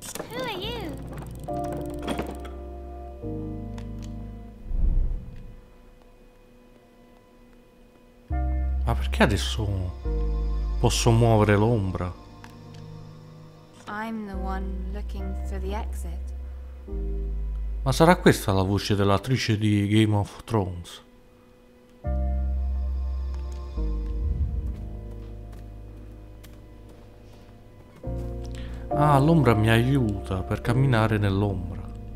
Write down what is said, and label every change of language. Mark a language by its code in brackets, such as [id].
[en] Who are you? [it] Ma perché adesso posso muovere l'ombra? [en] I'm the one looking for the exit. [it] Ma sarà questa la voce dell'attrice di Game of Thrones? Ah, l'ombra mi aiuta per camminare nell'ombra.